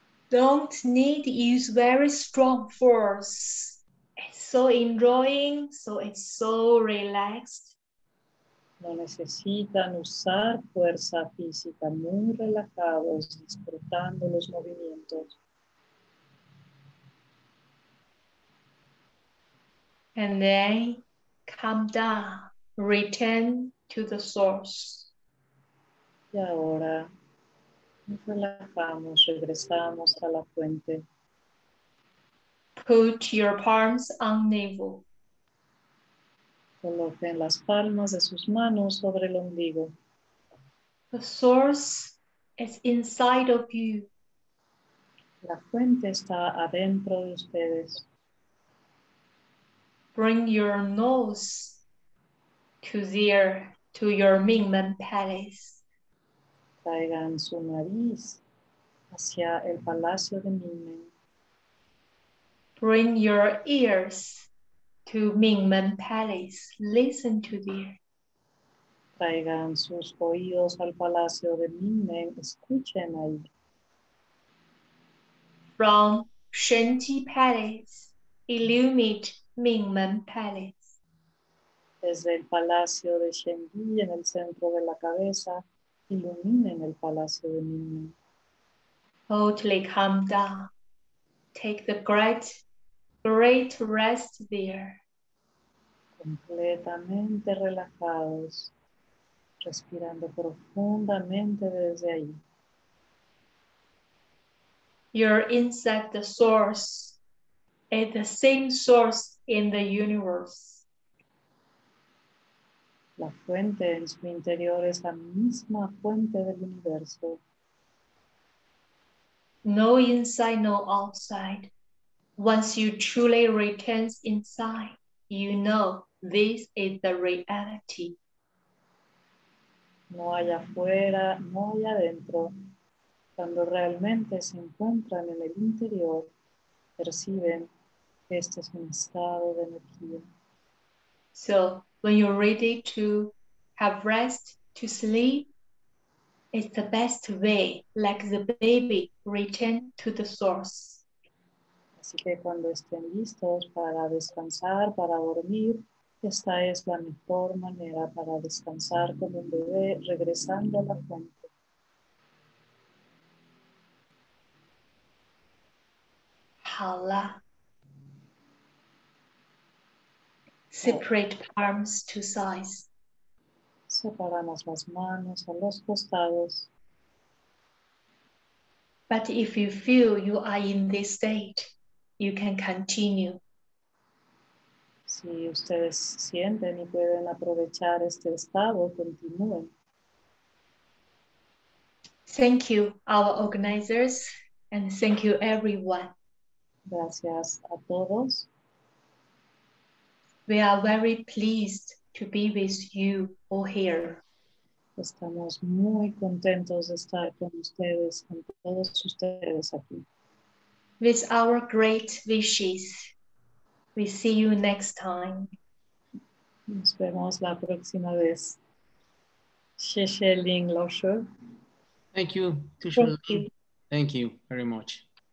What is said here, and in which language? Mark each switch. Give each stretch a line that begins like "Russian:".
English: Don't need to use very strong force. It's so enjoying, so it's so relaxed.
Spanish: No necesitan usar fuerza física, muy relajados, disfrutando los movimientos.
English: And then come down, return to the source.
Spanish: Y ahora nos relajamos, regresamos a la fuente.
English: Put your palms on navel.
Spanish: Coloquen las palmas de sus manos sobre el ombligo.
English: The source is inside of you.
Spanish: La fuente está adentro de ustedes.
English: Bring your nose to there, to your Mingmen Palace.
Spanish: Traigan su nariz hacia el palacio de Mingmen.
English: Bring your ears to Mingmen Palace. Listen to there.
Spanish: Traigan sus oídos al palacio de Mingmen. Escuchen ahí.
English: From Shenji Palace, illuminate Mingmen Palace.
Spanish: Desde el palacio de Shenji en el centro de la cabeza, Ilumina en el palacio de Nino.
English: Totally calm down. Take the great, great rest there.
Spanish: Completamente relajados, respirando profundamente desde ahí.
English: You're inside the source, at the same source in the universe.
Spanish: La fuente en su interior es la misma fuente del universo.
English: No inside, no outside. Once you truly return inside, you know this is the reality.
Spanish: No hay afuera, no hay adentro. Cuando realmente se encuentran en el interior, perciben que este es un estado de energía.
English: So, when you're ready to have rest, to sleep, it's the best way, like the baby, return to the source.
Spanish: Así que cuando estén listos para descansar, para dormir, esta es la mejor manera para descansar como un bebé regresando a la fuente. Hala.
English: Separate palms to sides.
Spanish: Separamos las manos a los costados.
English: But if you feel you are in this state, you can continue.
Spanish: Si ustedes sienten y pueden aprovechar este estado, continúen.
English: Thank you, our organizers, and thank you, everyone.
Spanish: Gracias a todos.
English: We are very pleased to be with you all here.
Spanish: Estamos muy contentos de estar con ustedes, con todos ustedes aquí.
English: With our great wishes, we see you next time.
Spanish: Nos vemos la próxima vez.
Chinese: Xiexie
Spanish: Ling Lu.
English: Thank you. Thank you very much.